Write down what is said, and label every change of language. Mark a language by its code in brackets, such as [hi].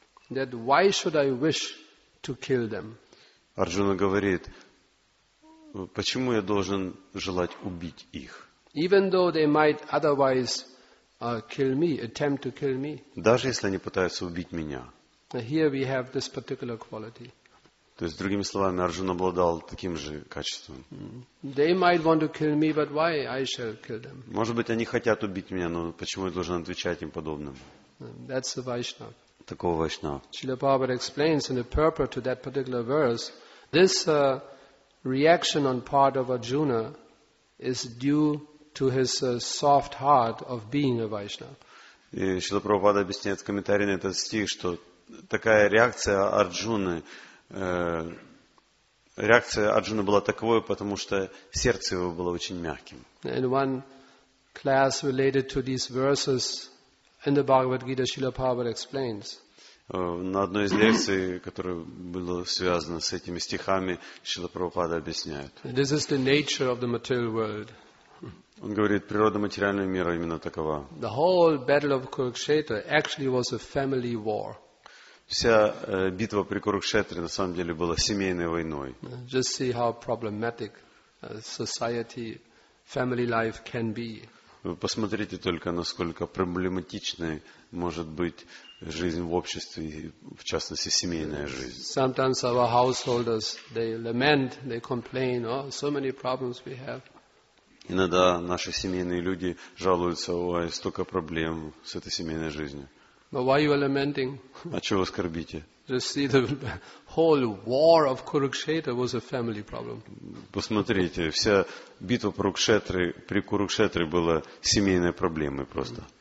[en] That why should I wish to kill them? [ru] Arjuna говорит, почему я должен желать убить их? [en] Even though they might otherwise kill me, attempt to kill me. [ru] Даже если они пытаются убить меня. [en] Here we have this particular quality. [ru] То есть, другими словами, Арджуна обладал таким же качеством. [en] They might want to kill me, but why I shall kill them? [ru] Может быть, они хотят убить меня, но почему я должен отвечать им подобным? [en] That's the Vaishnava. [ru] Такого Вайшнава. [en] Srila Prabhupada explains in the purport to that particular verse, this reaction on part of Arjuna is due to his soft heart of being a Vaishnava. [ru] Шрила Прабхупада объясняет в комментарии на этот стих, что такая реакция Арджуны, реакция Арджуны была таковой, потому что сердце его было очень мягким. [en] In one class related to these verses in the Bhagavad Gita, Srila Prabhupada explains. [ru] На одной из лекций, которая была связана с этими стихами, Шрила Прабхупада объясняет. [en] This is the nature of the material world. [ru] Он говорит, природа материального мира именно такова. [en] The whole battle of Kurukshetra actually was a family war. [ru] Вся битва при Курукшетре на самом деле была семейной войной. [en] Just see how problematic society, family life can be. [ru] Вы посмотрите только, насколько проблематичной может быть жизнь в обществе, в частности, семейная жизнь. [en] Sometimes our householders, they lament, they complain, oh, so many problems we have. [ru] Иногда наши семейные люди жалуются, ой, столько проблем с этой семейной жизнью. [en] But why you are lamenting? [ru] А чего вы скорбите? [en] Just see the whole war of Kurukshetra was a family problem. [ru] Посмотрите, вся битва при Курукшетре была семейной проблемой просто.